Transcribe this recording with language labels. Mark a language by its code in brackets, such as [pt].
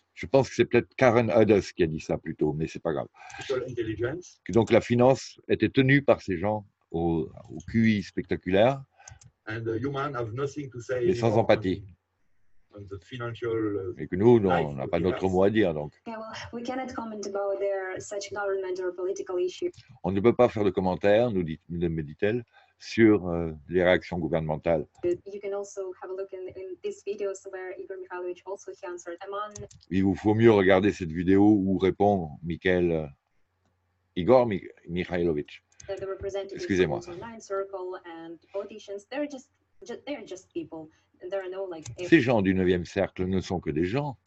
[fr] Je pense que c'est peut-être Karen Hudders qui a dit ça plus tôt, mais c'est pas grave. Donc la finance était tenue par ces gens au QI spectaculaire, [en] and, human have nothing to say [fr] mais sans empathie. [en] on the financial. [fr] Et que nous, non, on n'a pas notre mot à dire, donc. [en] Yeah, well, we cannot comment about their such government or political issue. [fr] On ne peut pas faire de commentaires, nous dit, me dit-elle, sur les réactions gouvernementales. [en] You can also have a look in these videos where Igor Mikhailovich also he answered. [fr] Il vous faut mieux regarder cette vidéo où répond Mikhail Igor Mikhailovich. [en] The representatives [fr] Excusez-moi. [en] Of the Nine Circle and politicians, they're just people. There are no like. [fr] Ces gens du 9e cercle ne sont que des gens.